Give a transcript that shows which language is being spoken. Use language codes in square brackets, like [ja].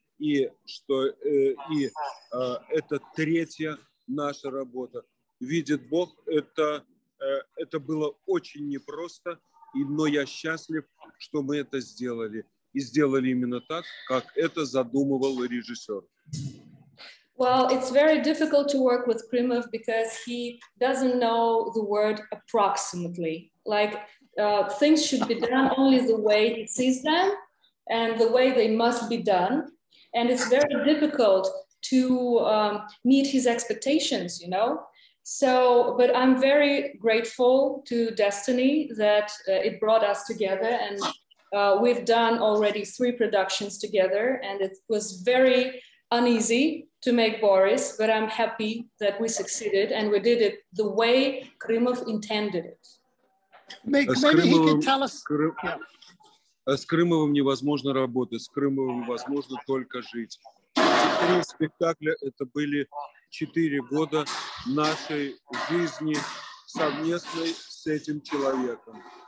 [ru] и что это третья наша работа. Видит Бог, это было очень непросто, но я счастлив, что мы это сделали. И сделали именно так, как это задумывал режиссер. [en] Well, it's very difficult to work with Krymov because he doesn't know the word approximately. Like, things should be done only the way he sees them and the way they must be done. And it's very difficult to meet his expectations, you know? So, but I'm very grateful to Destiny that it brought us together, and we've done already three productions together, and it was very uneasy to make Boris, but I'm happy that we succeeded and we did it the way Krymov intended it. [ru] С Крымовым невозможно работать, с Крымовым возможно только жить. Три спектакля — это были четыре года нашей жизни совместной с этим человеком.